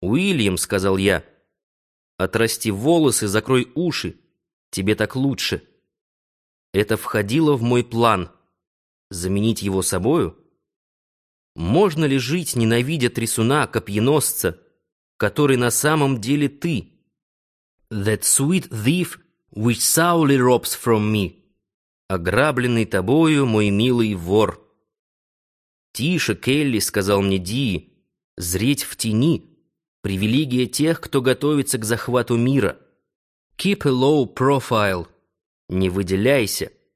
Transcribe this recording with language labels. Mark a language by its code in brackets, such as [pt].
[ru] «Уильям», — сказал я, — «отрасти волосы, закрой уши, тебе так лучше». Это входило в мой план. Заменить его собою? Можно ли жить, ненавидя трясуна, копьеносца, который на самом деле ты? [en] That sweet thief which Saul robs from me. [ru] Ограбленный тобою, мой милый вор. «Тише, Келли», — сказал мне Дии, — «зреть в тени. Привилегия тех, кто готовится к захвату мира. [en] Keep a low profile. [ru] Не выделяйся.